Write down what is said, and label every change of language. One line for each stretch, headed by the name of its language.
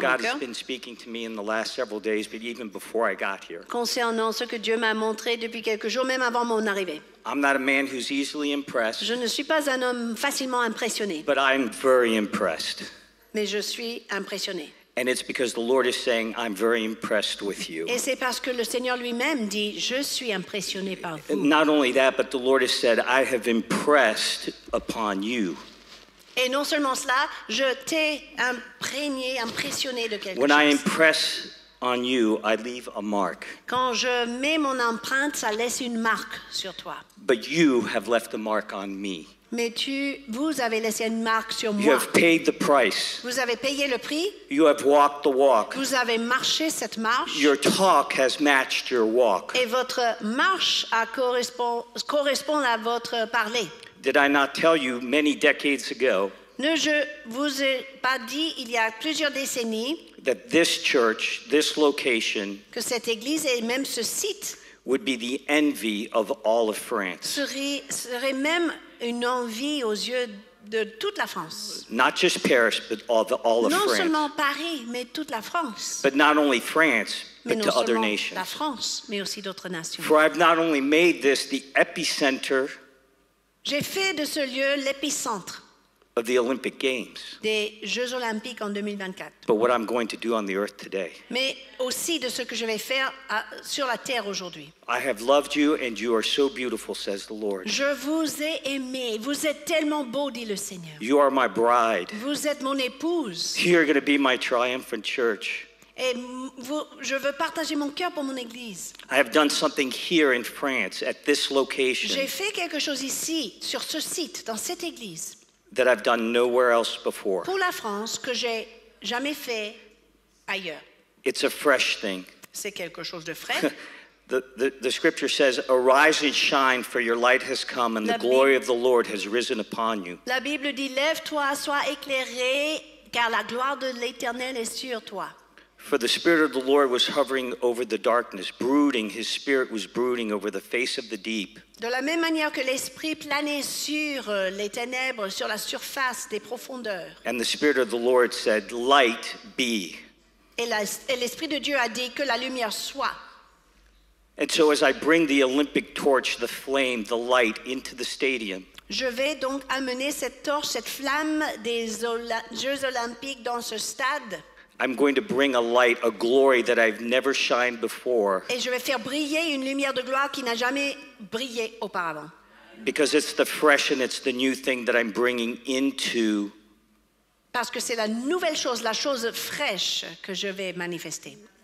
English: In terms of what God has been speaking to me in the last several days, but even before I got here.
French: Concernant ce que Dieu m'a montré depuis quelques jours, même avant mon arrivée.
English: I'm not a man who's easily impressed.
French: Je ne suis pas un homme facilement impressionné.
English: But I'm very impressed.
French: Mais je suis impressionné.
English: And it's because the Lord is saying, I'm very impressed with you.
French: Et c'est parce que le Seigneur lui-même dit, je suis impressionné par vous.
English: Not only that, but the Lord has said, I have impressed upon you.
French: Et non seulement cela, je t'ai imprégné, impressionné de quelque chose.
English: When I impress on you, I leave a mark.
French: Quand je mets mon empreinte, ça laisse une marque sur toi.
English: But you have left a mark on me.
French: Mais vous avez laissé une marque sur moi.
English: You have paid the price.
French: Vous avez payé le prix.
English: You have walked the walk.
French: Vous avez marché cette marche.
English: Your talk has matched your walk.
French: Et votre marche correspond à votre parler.
English: Did I not tell you many decades ago?
French: Ne je vous ai pas dit il y a plusieurs décennies
English: that this church, this location,
French: que cette église et même ce site
English: would be the envy of all of France.
French: Serait même une envie aux yeux de toute la France.
English: Not just Paris, but all of
French: non
English: France.
French: Seulement Paris, mais toute la France.
English: But not only France, but
French: non
English: to other nations.
French: La France, mais aussi d'autres nations.
English: For I've not only made this the epicenter.
French: J'ai fait de ce lieu l'épicentre.
English: Of the Olympic Games.
French: Des Jeux Olympiques en 2024.
English: But what I'm going to do on the earth today.
French: Mais aussi de ce que je vais faire sur la terre aujourd'hui.
English: I have loved you and you are so beautiful, says the Lord.
French: Je vous ai aimé. Vous êtes tellement beau, dit le Seigneur.
English: You are my bride.
French: Vous êtes mon épouse.
English: You're going to be my triumphant church.
French: Et je veux partager mon cœur pour mon église.
English: I have done something here in France at this location.
French: J'ai fait quelque chose ici, sur ce site, dans cette église.
English: That I've done nowhere else before.
French: Pour la France, que j'ai jamais fait ailleurs.
English: It's a fresh thing.
French: C'est quelque chose de frais.
English: The scripture says, "Arise and shine, for your light has come, and the glory of the Lord has risen upon you."
French: La Bible dit, "Lève-toi, sois éclairé, car la gloire de l'Éternel est sur toi."
English: For the spirit of the Lord was hovering over the darkness, brooding. His spirit was brooding over the face of the deep.
French: De la même manière que l'esprit planait sur les ténèbres, sur la surface des profondeurs.
English: And the spirit of the Lord said, "Light be."
French: Et l'esprit de Dieu a dit que la lumière soit.
English: And so, as I bring the Olympic torch, the flame, the light into the stadium.
French: Je vais donc amener cette torche, cette flamme des Jeux Olympiques dans ce stade.
English: I'm going to bring a light, a glory that I've never shined before.
French: Et je vais faire briller une lumière de gloire qui n'a jamais brillé auparavant.
English: Because it's the fresh and it's the new thing that I'm bringing into.
French: Parce que c'est la nouvelle chose, la chose fraîche que je vais manifester.